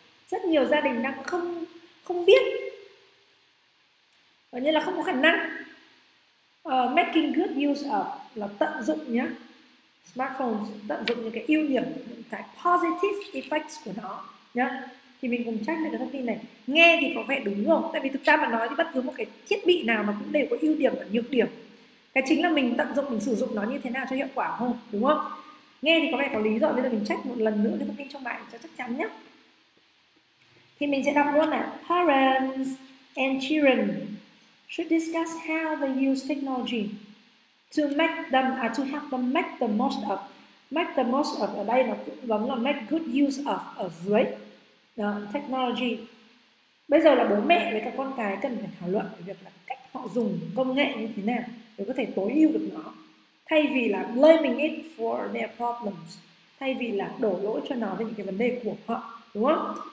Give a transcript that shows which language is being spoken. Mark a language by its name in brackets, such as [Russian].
[Vietnamese] Rất nhiều gia đình đang không không biết, và như là không có khả năng [English] making good use of [Vietnamese] là tận dụng nhé, smartphones tận dụng những cái ưu điểm, những cái [English] positive effects [Vietnamese] của nó nhé. Thì mình cùng check lại cái thông tin này, nghe thì có vẻ đúng rồi, tại vì thực ra mà nói thì bất cứ một cái thiết bị nào mà cũng đều có ưu điểm và nhược điểm, cái chính là mình tận dụng, mình sử dụng nó như thế nào cho hiệu quả hơn đúng không. Nghe thì có vẻ có lý rồi, bây giờ mình check một lần nữa cái thông tin trong bài cho chắc chắn nhé. Thì mình sẽ đọc luôn là [English] parents and children should discuss how they use technology to make them to help them make the most of. Make the most of [Vietnamese] ở đây nó cũng giống là [English] make good use of [Vietnamese] ở dưới technology. Bây giờ là bố mẹ với các con cái cần phải thảo luận về việc là cách họ dùng công nghệ như thế nào để có thể tối ưu được nó, thay vì là [English] blaming it for their problems, [Vietnamese] thay vì là đổ lỗi cho nó về những cái vấn đề của họ đúng không.